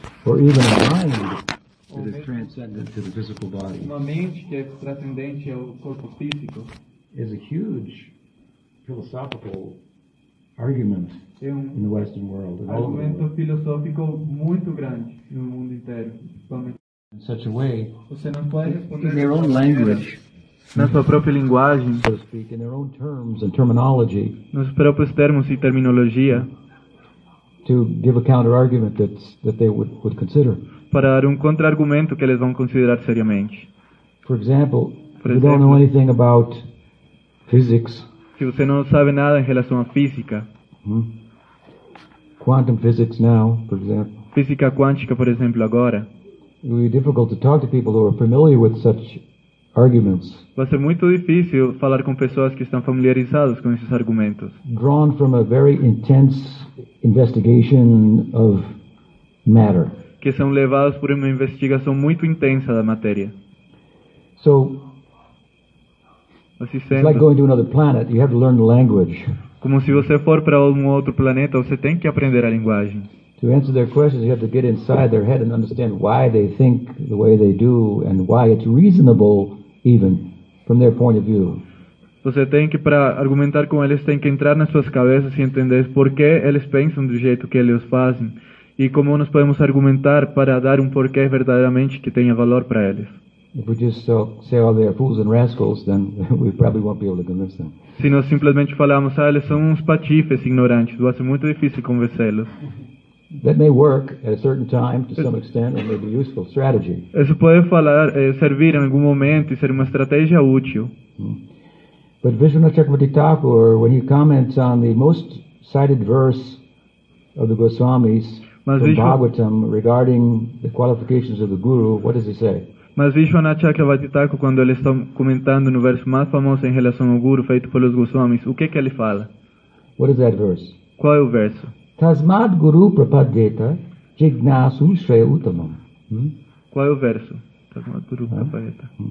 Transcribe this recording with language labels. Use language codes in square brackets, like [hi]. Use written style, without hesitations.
[en] or even a mind that is transcendent to the physical body, [pt] uma mente que é transcendente ao corpo físico, [en] is a huge philosophical argument in the Western world. [pt] Um argumento filosófico muito grande no mundo inteiro. [en] In such a way, [pt] você não pode responder [en] in their own language, [pt] na sua própria linguagem, [en] so to speak, in their own terms and terminology, [pt] nos próprios termos e terminologia, [en] to give a counter-argument that they would consider. [pt] Para dar contra-argumento que eles vão considerar seriamente. [en] For example, if you don't know anything about physics, [pt] se você não sabe nada em relação à física, [en] quantum physics now, for example, [pt] física quântica, por exemplo, agora, [en] it would be difficult to talk to people who are familiar with such arguments. [pt] Vai ser muito difícil falar com pessoas que estão familiarizadas com esses argumentos. [en] Drawn from a very intense investigation of matter. [pt] Que são levados por uma investigação muito intensa da matéria. [en] So, [pt] assim sendo, [en] it's like going to another planet. You have to learn the language. [pt] Como se você for para algum outro planeta, você tem que aprender a linguagem. [en] To answer their questions, you have to get inside their head and understand why they think the way they do and why it's reasonable, even from their point of view. [pt] Você tem que, para argumentar com eles, tem que entrar nas suas cabeças e entender por que eles pensam do jeito que eles fazem e como nós podemos argumentar para dar porquê verdadeiramente que tenha valor para eles. [en] If we just say, "Oh, they are fools and rascals," then we probably won't be able to convince them. [pt] Se nós simplesmente falarmos, "Ah, eles são uns patifes ignorantes," vai ser muito difícil convencê-los. [en] That may work at a certain time to some extent, or maybe a useful strategy. [pt] Isso pode falar, servir em algum momento e ser uma estratégia útil. [en] But Vishwanatha Chakravarti Thakur, when he comments on the most cited verse of the Goswamis, Bhagavatam, regarding the qualifications of the Guru, what does he say? [pt] Mas Vishwanatha Chakravarti Thakur, quando ele está comentando no verso mais famoso em relação ao Guru feito pelos Goswamis, o que ele fala? [en] What is that verse? [pt] Qual é o verso? [sa] Tasmad Guru Prapadeta Jignasu Shreya Uttamam. [pt] Qual é o verso? [sa] Tasmad Guru Prapadeta.